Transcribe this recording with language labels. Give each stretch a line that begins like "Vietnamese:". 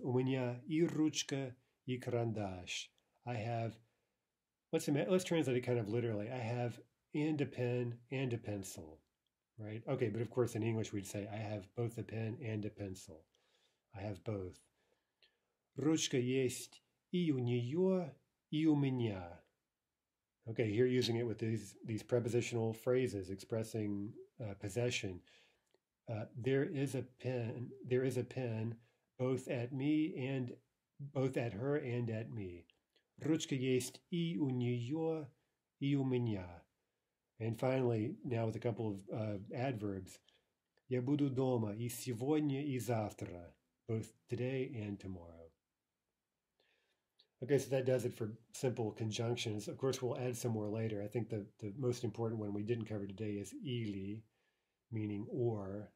Russian: У меня и ручка, и карандаш.
English: I have, let's translate it kind of literally. I have and a pen and a pencil, right? Okay, but of course in English we'd say I have both a pen and a pencil. I have both.
Russian: Ручка есть и у нее, и у меня.
English: Okay, here using it with these prepositional phrases expressing possession. There is a pen both at me and both at her and at me.
Russian: Ручка есть и у нее, и у меня.
English: And finally, now with a couple of adverbs.
Russian: Я буду дома и сегодня, и завтра,
English: both today and tomorrow. Okay, so that does it for simple conjunctions. Of course, we'll add some more later. I think the most important one we didn't cover today is ili, meaning or.